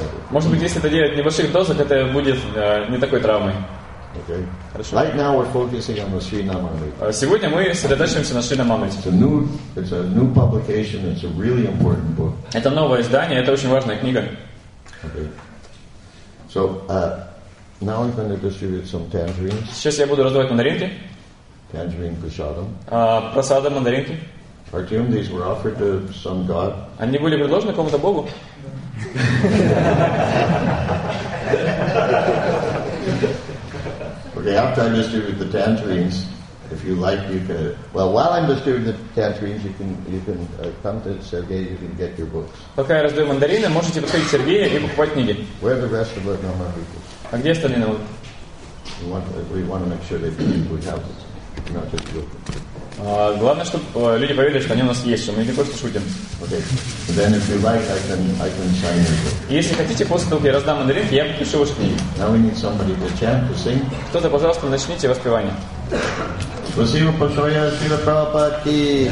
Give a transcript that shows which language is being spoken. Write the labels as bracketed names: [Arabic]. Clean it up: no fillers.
[Russian] Может быть, если это делать в небольших дозах, это будет не такой травмой. [English] Okay. Right now we're focusing on the Sri Namamrita. [Russian] Сегодня мы сосредоточимся на Шри Намамрите. [English] It's a new publication. It's a really important book. [Russian] Это новое издание. Это очень важная книга. [English] Okay. So now I'm going to distribute some tangerines. [Russian] Сейчас я буду раздавать мандаринки. [English] Tangerine prasadam. [Russian] Prasadam мандаринки. [English] Artyom, these were offered to some god. [Russian] Они были предложены кому-то богу? [English] Okay, after I distribute the tangerines, if you like, you can. Well, while I'm distributing the tangerines, you can come to Sergey. You can get your books. [Russian] Пока я раздаю мандарины, можете подходить к Сергею и покупать книги. [English] Where are the rest of the normal people? [Russian] А где остальные? [English] We want to make sure they believe we have it, not just you. [Russian] Главное, чтобы люди поверили, что они у нас есть, что мы не просто шутим. [English] Okay. Then if you like, I can sign your book. [Russian] Если хотите, после того, как я раздам мандаринки, я подпишу ваши книги. [English] Now we need somebody to chant, to sing. [Russian] Кто-то, пожалуйста, начните воспевание. Спасибо большое, Шрила Прабхупада ки.